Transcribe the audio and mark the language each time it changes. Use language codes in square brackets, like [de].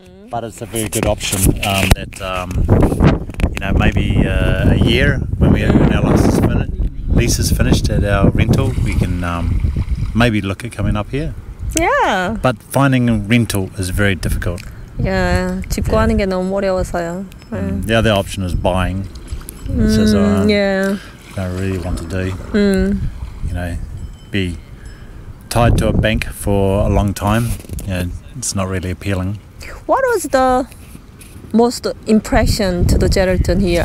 [en] But it's a very good option that, you know, maybe a year when our lease is finished at our rental, we can maybe look at coming up here. Yeah. But finding a rental is very difficult. [ko] Yeah, 집 구하는 게 너무 어려워서요. [en] The other option is buying. Yeah. I really want to do. You know, be tied to a bank for a long time. Yeah, it's not really appealing. What was the most impression to the Geraldton here?